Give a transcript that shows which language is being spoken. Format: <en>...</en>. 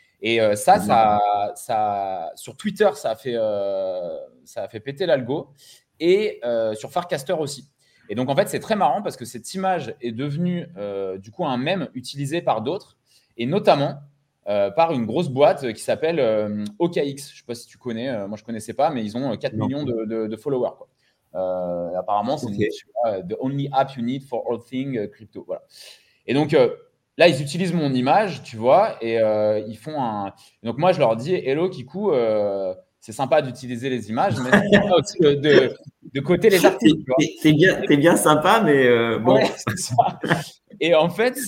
<fr>Et ça, ça sur Twitter, ça a fait péter l'algo et sur Farcaster aussi. Et donc, en fait, c'est très marrant parce que cette image est devenue du coup un mème utilisé par d'autres et notamment par une grosse boîte qui s'appelle OKX. Je ne sais pas si tu connais. Moi, je ne connaissais pas, mais ils ont 4 millions de followers, quoi. Apparemment, c'est okay.</fr> <en>The only app you need for all things crypto.</en> <fr>Voilà. Et donc, là, ils utilisent mon image, tu vois, et ils font un… Donc, moi, je leur dis « Hello, Kikou, c'est sympa d'utiliser les images, mais c'est aussi de côté les articles. » c'est bien sympa, mais bon. Ouais, c'est ça. Et en fait…</fr>